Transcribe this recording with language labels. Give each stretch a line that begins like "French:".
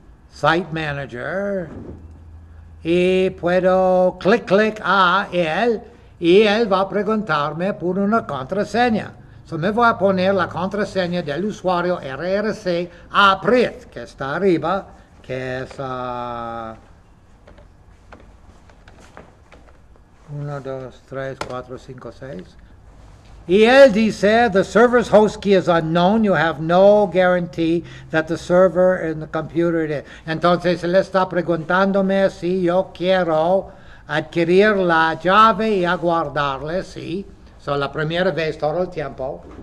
Spanish: Site Manager y puedo clic clic a él y él va a preguntarme por una contraseña. So me voy a poner la contraseña del usuario RRC aprit que está arriba, que es 1, 2, 3, 4, 5, 6. Y él dice,
English: the server's host key is unknown, you have no guarantee that the server in the computer is.
Spanish: Entonces él está preguntándome si yo quiero adquirir la llave y aguardarle, sí. So, la primera vez todo el tiempo.